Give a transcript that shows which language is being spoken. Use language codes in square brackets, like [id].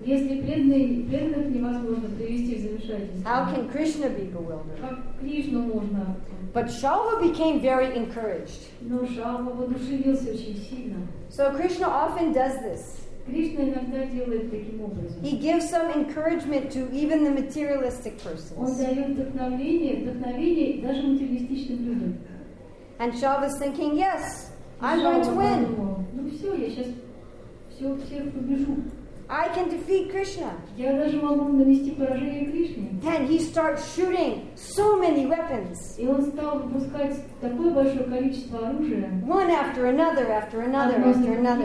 [ru] Если преданных невозможно привести в замешательство. [en] How can Krishna be bewildered? [ru] Как Кришну можно? [en] But Shalva became very encouraged. [ru] Но Шалва воодушевился очень сильно. [en] So Krishna often does this. [ru] Кришна иногда делает таким образом. [en] He gives some encouragement to even the materialistic persons. [ru] Он дает вдохновение даже материалистичным людям. [en] And Shalva is thinking, yes, I'm going to win. [ru] Ну все, я сейчас всех побежу. [en] I can defeat Krishna. [ru] Я даже могу нанести поражение Кришне. [en] And he starts shooting so many weapons. [ru] И он стал выпускать такое большое количество оружия. [en] One after another, after another, after another.